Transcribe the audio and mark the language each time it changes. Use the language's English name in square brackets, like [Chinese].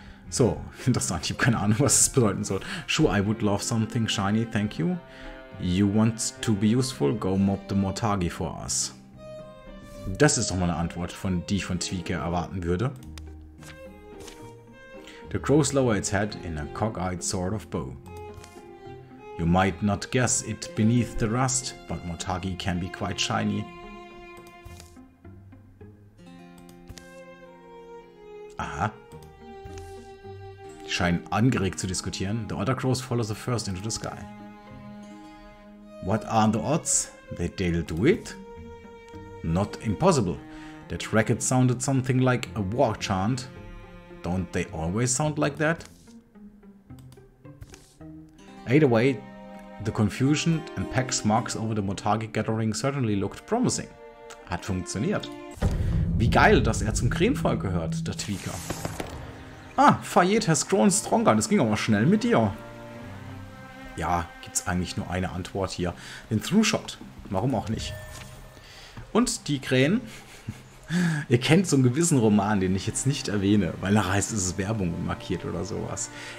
[German] So, interessant, ich habe keine Ahnung, was es bedeuten soll. [English] Sure, I would love something shiny, thank you. You want to be useful? Go mob the Mortagi for us. [German] Das ist doch mal eine Antwort, die ich von Tweaker erwarten würde. [English] The crows lower its head in a cockeyed sort of bow. You might not guess it beneath the rust, but Mortagi can be quite shiny. [German] Aha. Die scheinen angeregt zu diskutieren. [English] The other crows follow the first into the sky. What are the odds that they'll do it? Not impossible. That racket sounded something like a war chant. Don't they always sound like that? Either way, the confusion and Pack's marks over the Mortagi gathering certainly looked promising. [German] Hat funktioniert. Wie geil, dass zum Krähenvolk gehört, der Tweaker. [English] Ah, Fayette has grown stronger. [German] Das ging aber schnell mit dir. Ja, gibt's eigentlich nur eine Antwort hier. Den Throughshot. Warum auch nicht? Und die Krähen, ihr kennt so einen gewissen Roman, den ich jetzt nicht erwähne, weil nachher heißt es Werbung und markiert oder sowas.